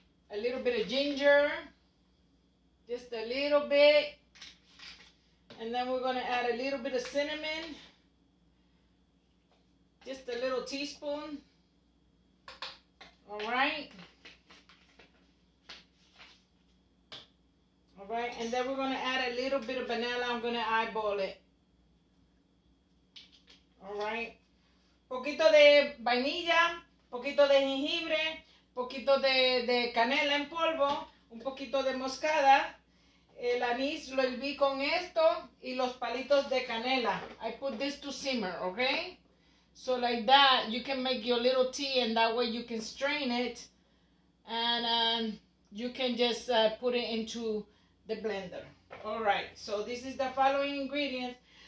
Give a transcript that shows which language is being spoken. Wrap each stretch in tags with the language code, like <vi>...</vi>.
<en>A little bit of ginger, just a little bit. And then we're gonna add a little bit of cinnamon. just a little teaspoon. All right, and then we're going to add a little bit of vanilla. I'm going to eyeball it.</en> <es>All right, poquito de vainilla, poquito de jengibre, poquito de canela en polvo, un poquito de moscada, el anís lo herví con esto y los palitos de canela.</es> <en>I put this to simmer, okay? So like that, you can make your little tea, and that way you can strain it, and you can just put it into the blender. All right, so this is the following ingredients.</en>